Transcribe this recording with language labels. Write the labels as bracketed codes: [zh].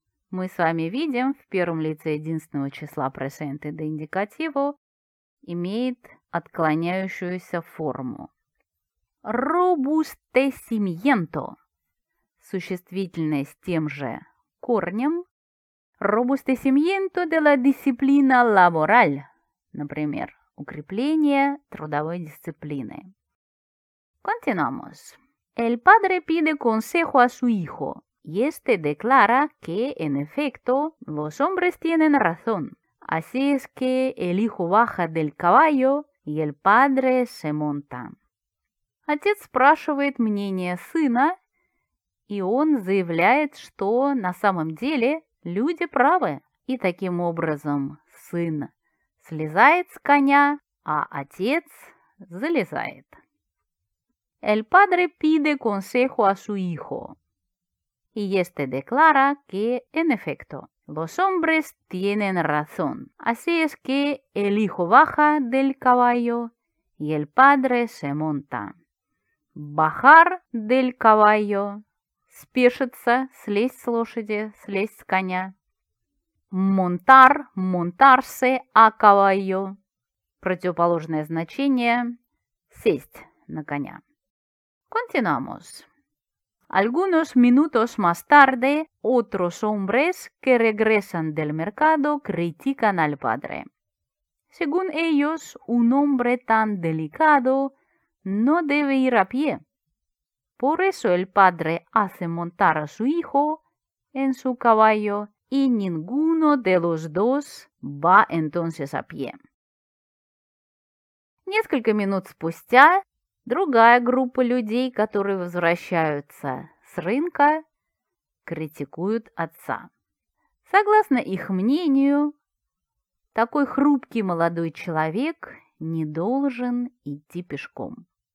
[ru] Мы с вами видим, в первом лице единственного числа [es] presente de indicativo [ru] имеет отклоняющуюся форму. [es] Robustecimiento. [ru] Существительное с тем же корнем. [es] Robustecimiento de la disciplina laboral. [ru] Например, укрепление трудовой дисциплины. [es] Continuamos. El padre pide consejo a su hijo. Y este declara que, en efecto, los hombres tienen razón. Así es que el hijo baja del caballo y el padre se monta. [ru] Отец спрашивает мнение сына, и он заявляет, что на самом деле люди правы. И таким образом сын слезает с коня, а отец залезает. [es] El padre pide consejo a su hijo. Y este declara que, en efecto, los hombres tienen razón. Así es que el hijo baja del caballo y el padre se monta. Bajar del caballo. [ru] Спешиться, слезть с лошади, слезть с коня. [es] Montar, montarse a caballo. [ru] Противоположное значение. Сесть на коня. [es] Continuamos. Algunos minutos más tarde, otros hombres que regresan del mercado critican al padre. Según ellos, un hombre tan delicado no debe ir a pie. Por eso el padre hace montar a su hijo en su caballo y ninguno de los dos va entonces a pie. [ru] Несколько минут спустя другая группа людей, которые возвращаются с рынка, критикуют отца. Согласно их мнению, такой хрупкий молодой человек не должен идти пешком.